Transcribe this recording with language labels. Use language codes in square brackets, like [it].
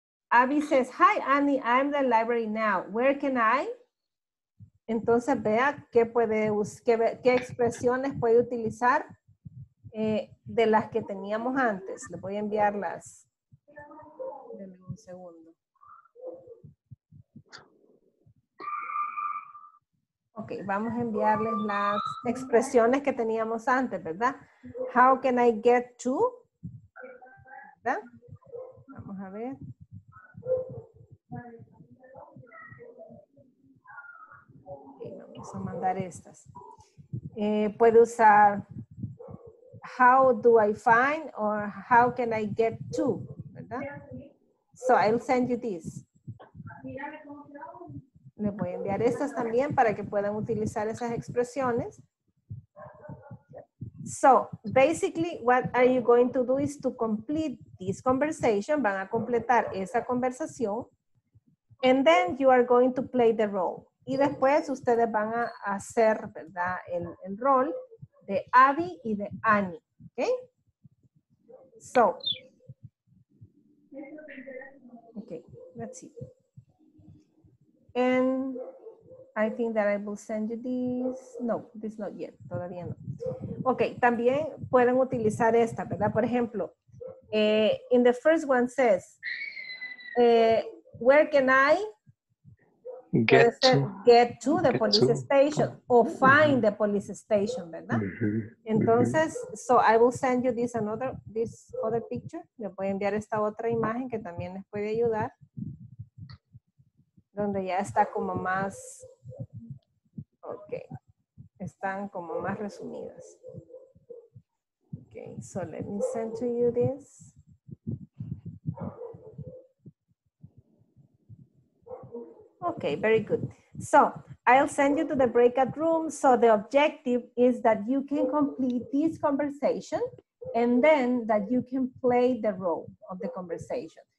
[en] Abby says, hi Annie, I'm the library now. Where can I? [es] Entonces vea qué puede qué expresiones puede utilizar de las que teníamos antes. Le voy a enviarlas. Denme un segundo. Ok, vamos a enviarles las expresiones que teníamos antes, ¿verdad? [en] How can I get to? [es] ¿Verdad? Vamos a ver. A mandar estas. Puede usar [en] how do I find or how can I get to, [es] ¿verdad? [en] So I'll send you this. [es] Le voy a enviar estas también para que puedan utilizar esas expresiones. [en] So basically what are you going to do is to complete this conversation. [es] Van a completar esa conversación [en] and then you are going to play the role. [es] Y después ustedes van a hacer, ¿verdad?, el rol de Abby y de Annie, ¿ok? [en] So. Ok, let's see. And I think that I will send you this. No, this not yet, [es] todavía no. Ok, también pueden utilizar esta, ¿verdad? Por ejemplo, [en] in the first one says, where can I... Get to the police station or find the police station, ¿verdad? Entonces, so I will send you this other picture. [es] Le voy a enviar esta otra imagen que también les puede ayudar. Donde ya está como más, ok, están como más resumidas. [en] Ok, so let me send to you this. Okay, very good. So, I'll send you to the breakout room. So, the objective is that you can complete this conversation and then that you can play the role of the conversation.